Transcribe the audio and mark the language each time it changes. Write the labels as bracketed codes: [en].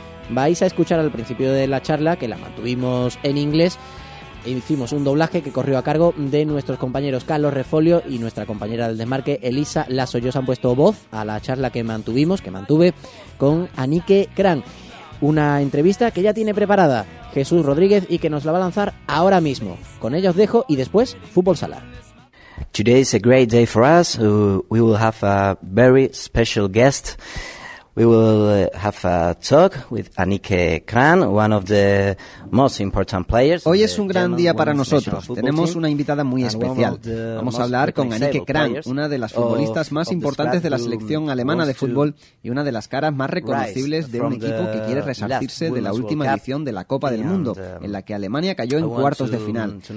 [es] Vais a escuchar al principio de la charla, que la mantuvimos en inglés, e hicimos un doblaje que corrió a cargo de nuestros compañeros Carlos Refolio y nuestra compañera del Desmarque, Elisa Lasso. Ellos han puesto voz a la charla que mantuve con Annike Kran. Una entrevista que ya tiene preparada Jesús Rodríguez y que nos la va a lanzar ahora mismo. Con ellos dejo y después Fútbol Sala. [en] Today is a great day for us. We will have a very special guest. We will have a talk with Annike Kran, one of the most important players. [es] Hoy es un gran día para nosotros. Tenemos una invitada muy especial. Vamos a hablar con Annike Kran, una de las futbolistas más importantes de la selección alemana de fútbol y una de las caras más reconocibles de un equipo que quiere resarcirse de la última edición de la Copa del Mundo, en la que Alemania cayó en cuartos de final.